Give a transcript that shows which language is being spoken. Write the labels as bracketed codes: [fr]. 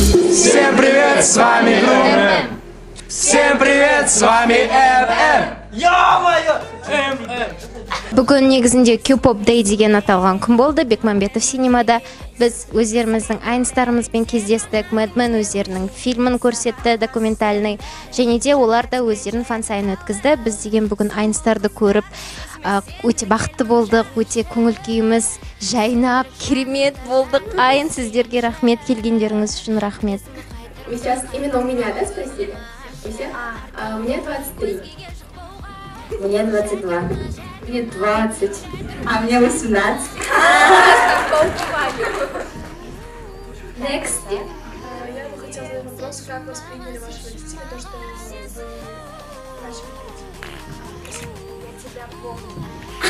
[ru] Всем привет, с вами Всем привет, с вами Ё-моё! [kk] Бүгін негізінде Q-pop Day деген аталған күн болды Бекмамбетов синемада. Біз өздеріміздің айнстарымызбен кездестік, Мэдмен өздерінің фильмін көрсетті, документальный, және де олар да өздерін фан-сайын өткізді. Біз деген бүгін айнстарды көріп, өте бақытты болдық, өте көңіл-күйіміз жайнап, керемет болдық. Айн, сіздерге рахмет, келгендеріңіз үшін рахмет. [ru] Вы сейчас именно у меня, да, спросили? А, у меня 23. Мне 22. Мне 20, а мне 18. [en] Next. [ru] Я бы хотела задать вопрос, как восприняли ваши родители то, что вы начали